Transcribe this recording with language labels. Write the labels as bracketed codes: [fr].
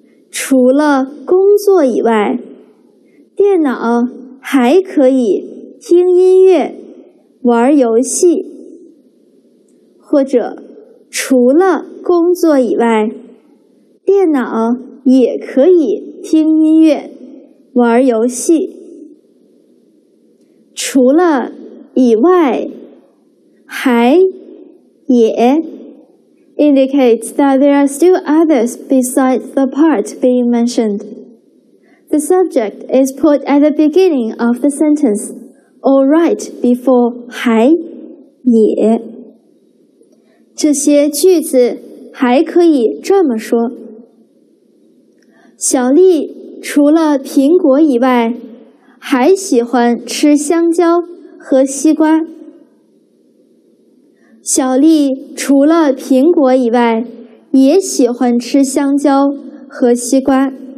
[zh] 除了工作以外，电脑还可以听音乐、玩游戏。或者，除了工作以外，电脑也可以听音乐、玩游戏。 [en] 除了以外，还也indicates that there are still others besides the part being mentioned. The subject is put at the beginning of the sentence, or right before 还也。 [zh] 这些句子还可以这么说：小丽除了苹果以外，还喜欢吃香蕉和西瓜。小丽除了苹果以外，也喜欢吃香蕉和西瓜。